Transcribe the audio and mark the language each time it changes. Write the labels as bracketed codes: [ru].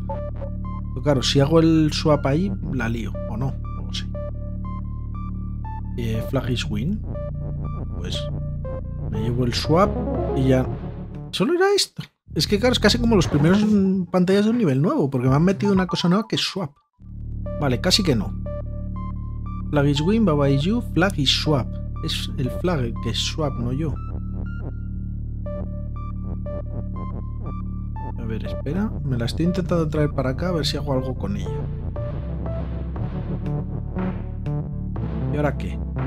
[es] Pero claro, si hago el swap ahí, la lío, o no, no lo sé. [en] Flag is win. [es] Pues me llevo el swap y ya. ¿Solo era esto? Es que claro, es casi como los primeros pantallas de un nivel nuevo, porque me han metido una cosa nueva que es swap. Vale, casi que no. [en] Flag is win, baba is you, flag is swap. [es] Es el flag que es swap, no yo. A ver, espera. Me la estoy intentando traer para acá a ver si hago algo con ella. ¿Y ahora qué?